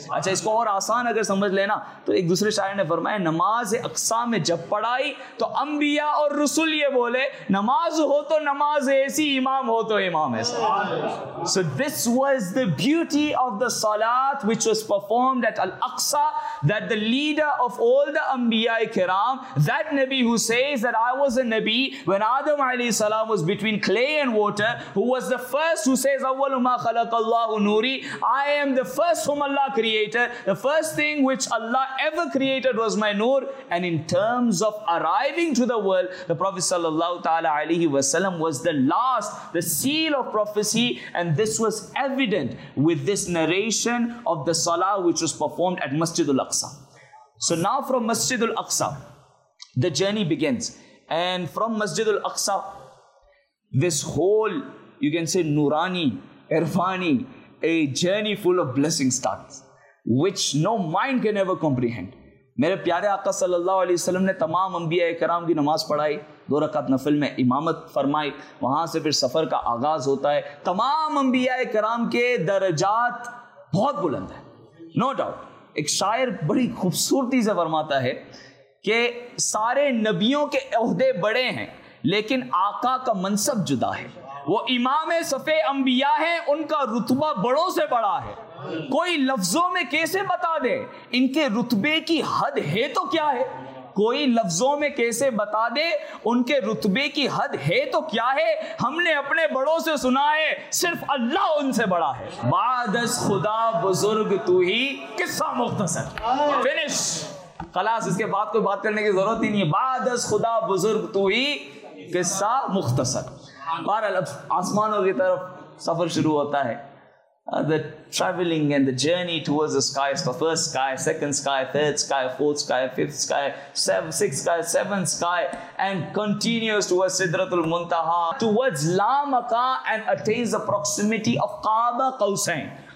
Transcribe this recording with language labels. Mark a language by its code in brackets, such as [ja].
[ur] اچھا اس کو اور آسان اگر سمجھ لینا تو ایک دوسرے شاعر نے فرمایا نماز اقصا میں جب پڑھائی تو انبیاء اور رسول یہ بولے نماز ہو تو نماز ایسی امام ہو تو امام ایسا. [en] So this was the beauty of the salat which was performed at Al-Aqsa, that the leader of all the anbiya-e-kiram, that Nabi who says that I was a Nabi when Adam alayhi salam was between clay and water, who was the first who says [ar] awwalu ma khalaqallahu nuri, [en] I am the first whom Allah created, the first thing which Allah ever created was my nur. And in terms of arriving to the world, the Prophet sallallahu ta'ala alayhi wa sallam was the last, the seal of prophecy, and this was evident with this narration of the salah which was performed at Masjid al-Aqsa. So now from Masjid al-Aqsa the journey begins, and from Masjid al-Aqsa, this whole, you can say, Nurani, Irfani, a journey full of blessings starts, which no mind can ever comprehend. [ur] Mere pyare Aqa sallallahu alayhi wa sallam ne tamam anbiya-e-kiram ki namaz padhai, دو رکعت نفل میں امامت فرمائی, وہاں سے پھر سفر کا آغاز ہوتا ہے. تمام انبیاء کرام کے درجات بہت بلند ہیں, [en] No doubt. [ur] ایک شاعر بڑی خوبصورتی سے فرماتا ہے کہ سارے نبیوں کے عہدے بڑے ہیں لیکن آقا کا منصب جدا ہے. وہ امام صفے انبیاء ہیں, ان کا رتبہ بڑوں سے بڑا ہے. کوئی لفظوں میں کیسے بتا دے ان کے رتبے کی حد ہے تو کیا ہے, کوئی لفظوں میں کیسے بتا دے ان کے رتبے کی حد ہے تو کیا ہے؟ ہم نے اپنے بڑوں سے سنا ہے صرف اللہ ان سے بڑا ہے. [fa] بعد از خدا بزرگ تو ہی, قصہ مختصر, [en] finish [ur] خلاص, اس کے بعد کوئی بات کرنے کی ضرورت ہی نہیں ہے. [fa] بعد از خدا بزرگ تو ہی, قصہ مختصر. [ur] بہرحال اب آسمانوں کی طرف سفر شروع ہوتا ہے. [en] The traveling and the journey towards the sky, the first sky, second sky, third sky, fourth sky, fifth sky, seven, sixth sky, seventh sky, and continues towards Sidratul Muntaha, towards La Makkah, and attains the proximity of Kaaba Qausain.